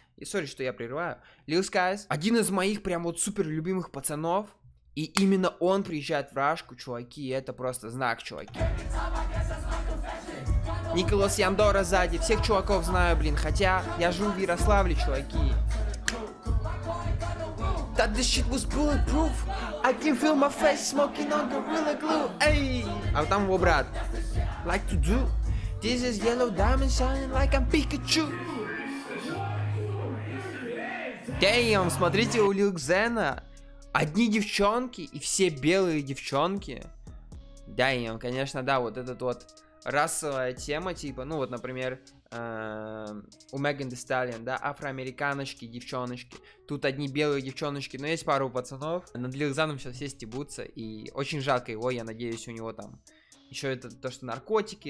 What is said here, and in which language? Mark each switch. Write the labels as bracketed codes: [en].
[ru] И сори, что я прерываю. Lil Skies. Один из моих прям вот супер любимых пацанов. И именно он приезжает в Рашку, чуваки, и это просто знак, чуваки. Николас Яндора сзади, всех чуваков знаю, блин, хотя я живу в Ярославле, чуваки. [en] That this shit was bulletproof, I can feel my face smoking on Gorilla Glue, эй! [ru] А вот там его брат. [en] Like to do, this is yellow diamond shining like I'm Pikachu. [ru] Damn, смотрите у Lil Xena. Одни девчонки и все белые девчонки. Да, и он, конечно, да, вот этот вот расовая тема, типа, ну вот, например, у Megan Thee Stallion, да, афроамериканочки, девчоночки. Тут одни белые девчоночки, но есть пару пацанов. Над Lil Xen'ом сейчас все стебутся, и очень жалко его, я надеюсь, у него там еще это то, что наркотики.